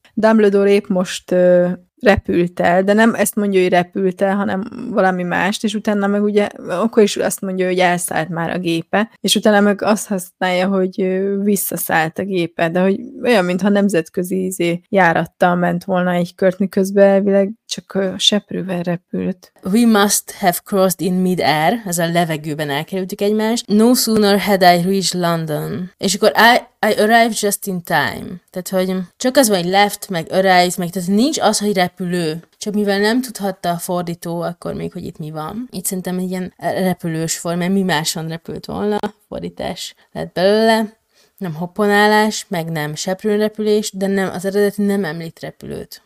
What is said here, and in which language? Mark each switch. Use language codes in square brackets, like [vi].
[hu] Dumbledore épp most repült el, de nem ezt mondja, hogy repült el, hanem valami mást, és utána meg ugye, akkor is azt mondja, hogy elszállt már a gépe, és utána meg azt használja, hogy visszaszállt a gépe, de hogy olyan, mintha nemzetközi járattal ment volna egy kört, miközben elvileg csak seprűvel repült. [en] We must have crossed in mid-air, [hu] ez a levegőben elkerültük egymást. [en] No sooner had I reached London. [hu] És akkor [en] I arrived just in time. [hu] Tehát, hogy csak az van, hogy left, meg arrived, meg tehát nincs az, hogy repülő. Csak mivel nem tudhatta a fordító akkor még, hogy itt mi van. Itt szerintem egy ilyen repülős form, mert mi máson repült volna. Fordítás lett belőle. Nem hopponálás, meg nem seprőrepülés, de nem, az eredeti nem említ repülőt.